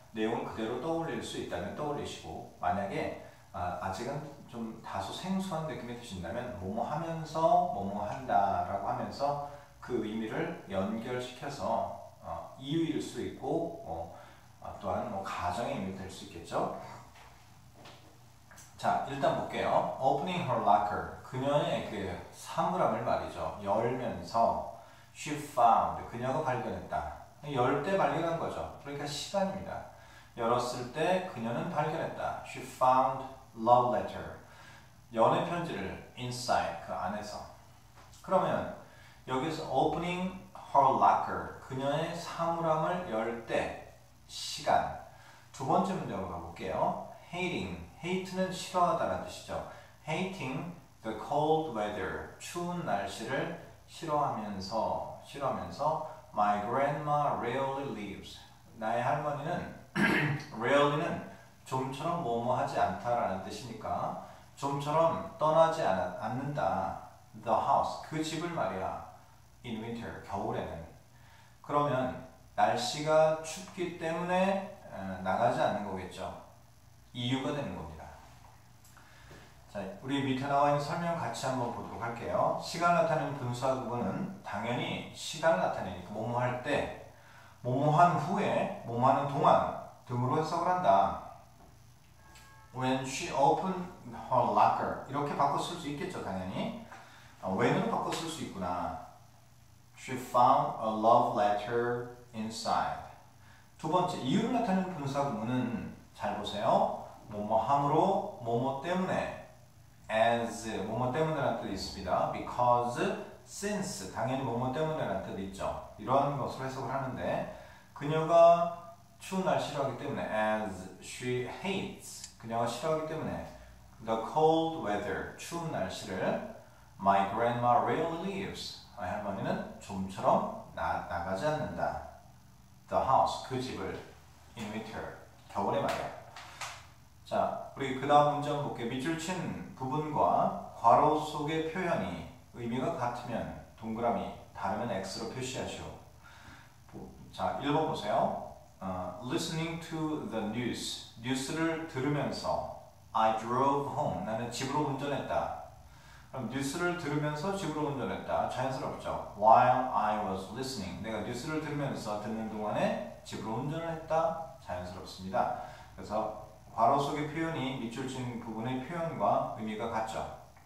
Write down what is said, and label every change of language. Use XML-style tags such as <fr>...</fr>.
<ko>내용은 그대로 떠올릴 수 있다면 떠올리시고, 만약에 아직은 좀 다소 생소한 느낌이 드신다면 뭐뭐 하면서 뭐뭐 한다라고 하면서 그 의미를 연결시켜서 이유일 수 있고, 또한 뭐 가정의 의미 될수 있겠죠. 자, 일단 볼게요.</ko> <en>Opening her locker.</en> <ko>그녀의 그 사물함을 말이죠. 열면서</ko> <en>she found.</en> <ko>그녀가 발견했다. 열때 발견한 거죠. 그러니까 시간입니다. 열었을 때 그녀는 발견했다.</ko> <en>She found love letter.</en> <ko>연애 편지를 inside 그 안에서. 그러면 여기서</ko> <en>opening her locker.</en> <ko>그녀의 사물함을 열 때. 시간. 두 번째 문장으로 가볼게요.</ko> <en>Hating.</en> <ko>Hate는 싫어하다라는 뜻이죠.</ko> <en>Hating the cold weather.</en> <ko>추운 날씨를 싫어하면서,</ko> <en>My grandma rarely leaves.</en> <ko>나의 할머니는, rarely는 좀처럼 뭐뭐하지 않다라는 뜻이니까, 좀처럼 떠나지 않는다.</ko> <en>The house.</en> <ko>그 집을 말이야.</ko> <en>In winter.</en> <ko>겨울에는. 그러면, 날씨가 춥기 때문에 나가지 않는 거겠죠. 이유가 되는 겁니다. 자, 우리 밑에 나와 있는 설명 같이 한번 보도록 할게요. 시간을 나타내는 분사구문은 당연히 시간을 나타내니까 뭐뭐 할때 뭐뭐한 후에, 뭐뭐하는 동안 등으로 해석을 한다.</ko> <en>When she opened her locker.</en> <ko>이렇게 바꿔 쓸수 있겠죠, 당연히. When으로 바꿔 쓸수 있구나.</ko> <en>She found a love letter inside.</en> <ko>두 번째, 이유를 나타내는 분사 구문은 잘 보세요. 뭐뭐함으로, 뭐뭐 때문에, as, 뭐뭐 때문에라는 뜻이 있습니다. Because, since, 당연히 뭐뭐 때문에라는 뜻이 있죠. 이러한 것으로 해석을 하는데, 그녀가 추운 날 싫어하기 때문에,</ko> <en>as she hates,</en> <ko>그녀가 싫어하기 때문에,</ko> <en>the cold weather,</en> <ko>추운 날씨를,</ko> <en>my grandma rarely leaves,</en> <ko>할머니는 좀처럼 나가지 않는다. The house, 그 집을, in winter, 겨울에 말이야. 자, 우리 그 다음 문장 볼게요. 밑줄 친 부분과 괄호 속의 표현이 의미가 같으면 동그라미, 다르면 X로 표시하시오. 자, 읽어보세요.</ko> <en>Listening to the news.</en> <ko>뉴스를 들으면서</ko> <en>I drove home.</en> <ko>나는 집으로 운전했다. 그럼 뉴스를 들으면서 집으로 운전했다. 자연스럽죠? While I was listening. 내가 뉴스를 들으면서 듣는 동안에 집으로 운전을 했다. 자연스럽습니다. 그래서 괄호 속의 표현이 밑줄 친 부분의 표현과 의미가 같죠.</ko>